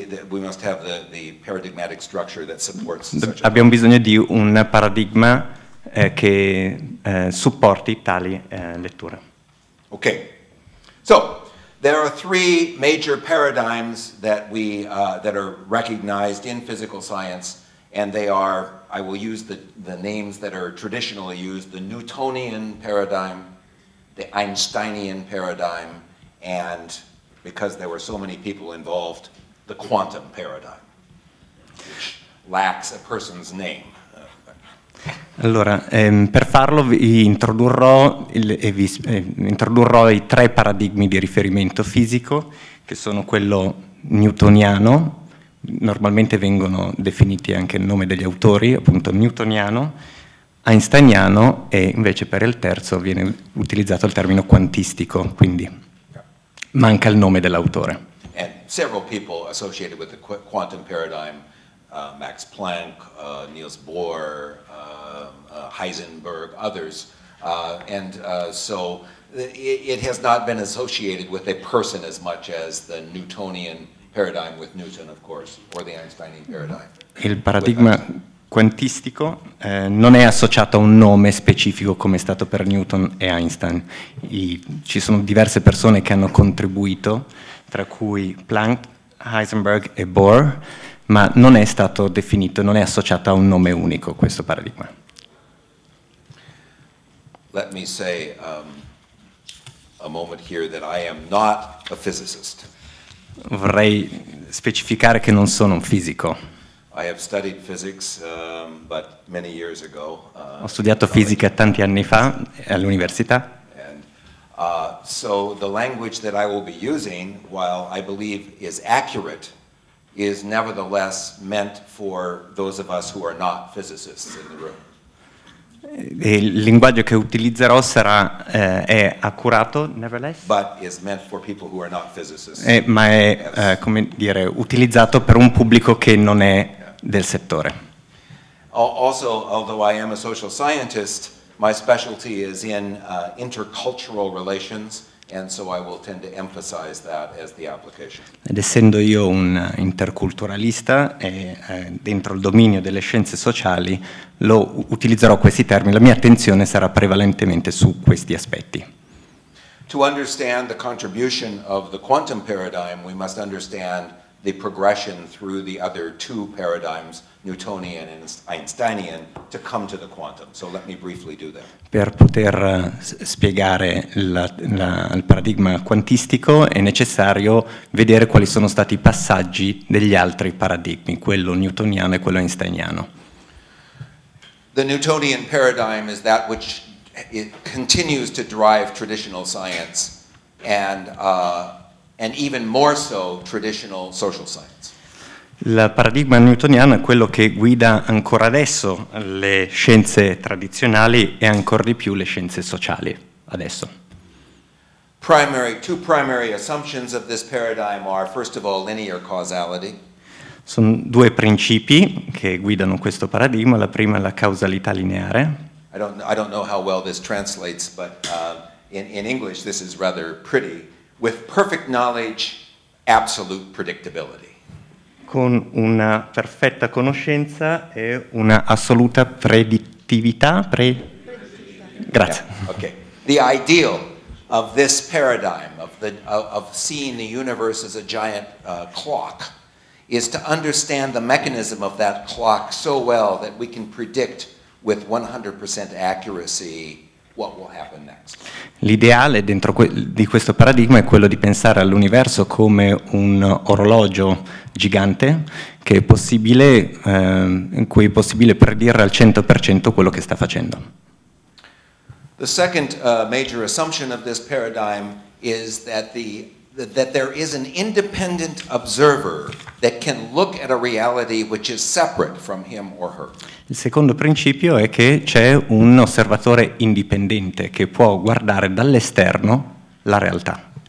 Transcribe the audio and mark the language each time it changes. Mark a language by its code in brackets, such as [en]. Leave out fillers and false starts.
[en] We must have the paradigmatic structure that supports [it] Abbiamo bisogno di un paradigma che supporti tali letture. [en] Okay. So, there are three major paradigms that we that are recognized in physical science, and they are, I will use the names that are traditionally used, the Newtonian paradigm, the Einsteinian paradigm, and because there were so many people involved, the quantum paradigm, which lacks a person's name. [it] Allora, per farlo vi introdurrò, introdurrò i tre paradigmi di riferimento fisico, che sono quello newtoniano, normalmente vengono definiti anche il nome degli autori, appunto newtoniano, einsteiniano e invece per il terzo viene utilizzato il termine quantistico, quindi manca il nome dell'autore. [en] And several people associated with the quantum paradigm, Max Planck, Niels Bohr, Heisenberg, others. So it has not been associated with a person as much as the Newtonian paradigm with Newton, of course, or the Einsteinian paradigm. [it] Il paradigma quantistico non è associato a un nome specifico come è stato per Newton e Einstein. Ci sono diverse persone che hanno contribuito, tra cui Planck, Heisenberg e Bohr, ma non è stato definito, non è associato a un nome unico questo paradigma. [en] Let me say a moment here that I am not a physicist. [it] Vorrei specificare che non sono un fisico. [en] I have studied physics but many years ago. [it] Ho studiato fisica tanti anni fa all'università. [en] So the language that I will be using, while I believe is accurate, is nevertheless meant for those of us who are not physicists in the room. [it] Il linguaggio che utilizzerò sarà è accurato, nevertheless. [en] But is meant for people who are not physicists. [it] Ma è come dire utilizzato per un pubblico che non è del settore. [en] Also, although I am a social scientist, my specialty is in intercultural relations, and so I will tend to emphasize that as the application. [it] Ed essendo io un interculturalista e dentro il dominio delle scienze sociali, lo utilizzerò questi termini. La mia attenzione sarà prevalentemente su questi aspetti. [en] To understand the contribution of the quantum paradigm, we must understand the progression through the other two paradigms, Newtonian and Einsteinian, to come to the quantum. So let me briefly do that. [it] Per poter spiegare il paradigma quantistico è necessario vedere quali sono stati i passaggi degli altri paradigmi, quello newtoniano e quello einsteiniano. [en] The Newtonian paradigm is that which it continues to drive traditional science and even more so traditional social science. [it] Il paradigma newtoniano è quello che guida ancora adesso le scienze tradizionali e ancora di più le scienze sociali adesso. [en] Two primary assumptions of this paradigm are, first of all, linear causality. [it] Sono due principi che guidano questo paradigma. La prima è la causalità lineare. [en] I don't know how well this translates, but in English this is rather pretty. With perfect knowledge, absolute predictability. [it] Con una perfetta conoscenza e una assoluta predittività. Grazie. [en] Yeah, okay. The ideal of this paradigm of seeing the universe as a giant clock is to understand the mechanism of that clock so well that we can predict with 100% accuracy what will happen next. [it] L'ideale dentro di questo paradigma è quello di pensare all'universo come un orologio gigante che è possibile, in cui è possibile predire al 100% quello che sta facendo. [en] The second major assumption of this paradigm is that that there is an independent observer that can look at a reality which is separate from him or her. [it] Il secondo principio è che c'è un osservatore indipendente che può guardare dall'esterno la realtà.